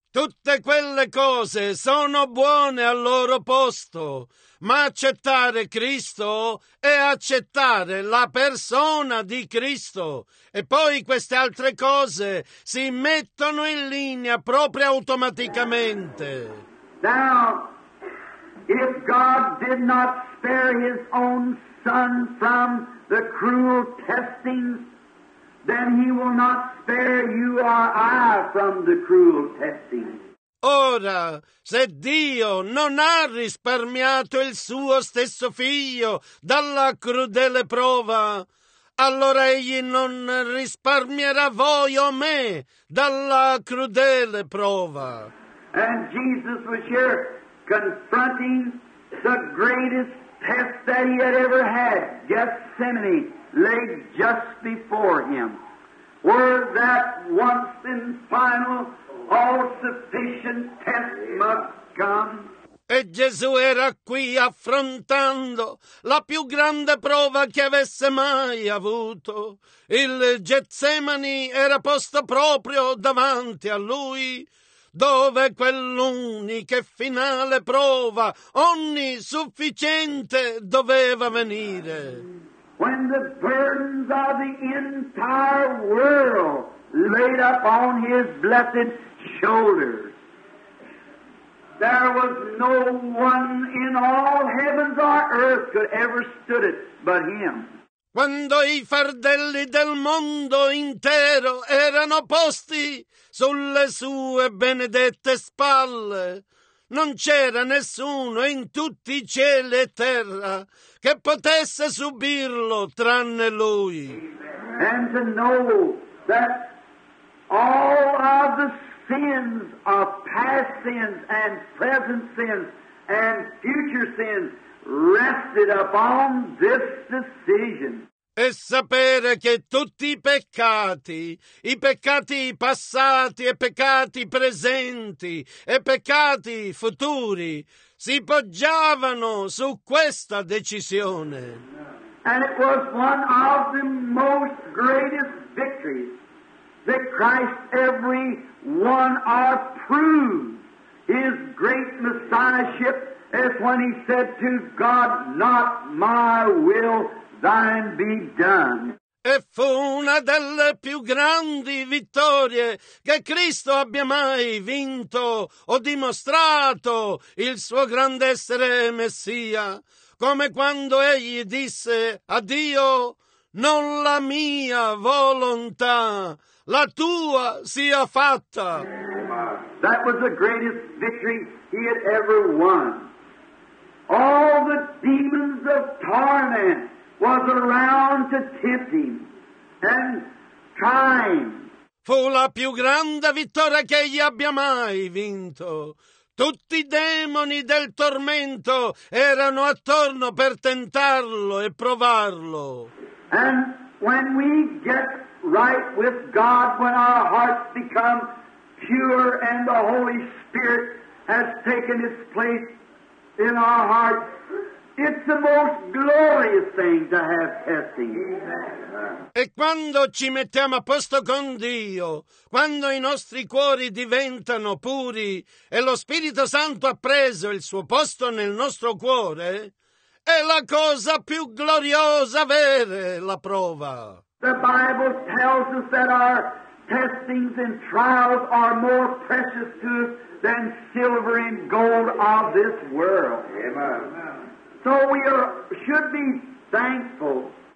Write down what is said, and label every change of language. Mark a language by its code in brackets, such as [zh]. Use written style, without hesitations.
[it] Tutte quelle cose sono buone al loro posto, ma accettare Cristo è accettare la persona di Cristo. E poi queste altre cose si mettono in linea proprio automaticamente. [en] Now, if God did not spare His own Son from the cruel testings, then He will not spare you or I from the cruel testings. [it] Ora, se Dio non ha risparmiato il suo stesso figlio dalla crudele prova, allora Egli non risparmierà voi o me dalla crudele prova. [en] And Jesus was here confronting the greatest test that he had ever had, Gethsemane, laid just before him. Were that once and final, all-sufficient test must come. [it] E Gesù era qui affrontando la più grande prova che avesse mai avuto. Il Getsemani era posto proprio davanti a lui. Dove quell'unica e finale prova onnisufficiente doveva venire. [en] When the burdens of the entire world laid upon his blessed shoulders, there was no one in all heavens or earth could ever stood it but him. [it] Quando i fardelli del mondo intero erano posti sulle sue benedette spalle, non c'era nessuno in tutti i cieli e terra che potesse subirlo tranne lui. [en] And to know that all of the sins of past sins and present sins and future sins rested upon this decision. [it] E sapere che tutti i peccati passati e peccati presenti e peccati futuri, si poggiavano su questa decisione. [en] And it was one of the most greatest victories that Christ, every one, are proved His great Messiahship as when He said to God, "Not my will, thine be done." [it] E fu una delle più grandi vittorie che Cristo abbia mai vinto o dimostrato il suo grande essere Messia, come quando egli disse a Dio: "Non la mia volontà, la tua sia fatta." [en] That was the greatest victory he had ever won. All the demons of torment was around to tempt him and trying. [it] Fu la più grande vittoria che egli abbia mai vinto. Tutti i demoni del tormento erano attorno per tentarlo e provarlo. [en] And when we get right with God, when our hearts become pure and the Holy Spirit has taken its place in our hearts, it's the most glorious thing to have testing. [it] E quando ci mettiamo a posto con Dio, quando i nostri cuori diventano puri e lo Spirito Santo ha preso il suo posto nel nostro cuore, è la cosa più gloriosa avere la prova. [en] The Bible tells us that our testings and trials are more precious to us than silver and gold of this world. Amen. So we should be thankful.